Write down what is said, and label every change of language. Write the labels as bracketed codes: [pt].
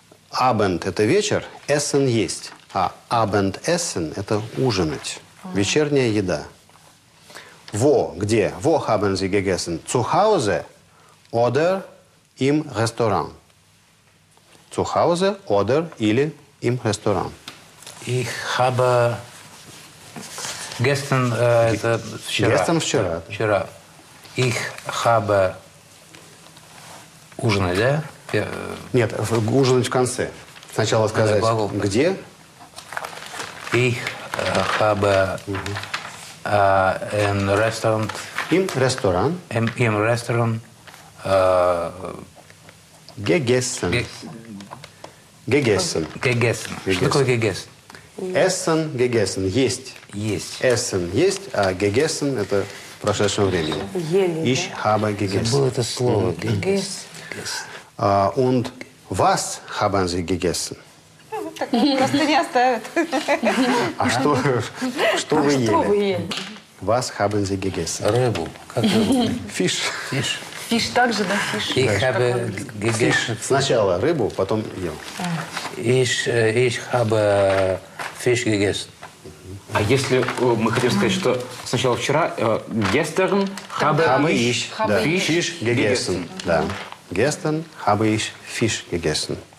[ru] Abend – это вечер, Essen есть. А Abendessen – это ужинать, вечерняя еда. [de] Wo, [ru] где, [de] wo haben Sie gegessen? Zu Hause oder im Restaurant? Zu Hause oder [ru] или [de] im Restaurant. Ich habe gestern, [ru] вчера. [de] Gestern [ru] вчера. Вчера. [de] Ich habe [ru] ужинать, да? Нет, ужинать в конце. Сначала сказать, где. [de] Ich habe in restaurant. Im Restaurant. Im Restaurant. Gegessen. Gegessen. Gegessen. [ru] Что такое gegessen? [de] Essen, gegessen. [ru] Есть. Есть. Essen, есть, а gegessen – это в прошедшем времени. Ели. [de] Ich habe gegessen. [ru] Забыл это слово. [de] Gegessen. Und was haben Sie gegessen? [ru] Костыря ставят. А что, что вы ели? Что вы ели? [de] Was haben Sie gegessen? [ru] Рыбу. Как рыбу? [de] Fisch. Fisch. [ru] Fish также, да? [de] Fish. Ich habe gegessen. [ru] Сначала рыбу, потом ел. [de] Ich habe Fisch gegessen. [ru] А если мы хотим сказать, что сначала вчера, [de] gestern habe ich Fisch gegessen. [ru] Да. [de] Gestern habe ich Fisch gegessen.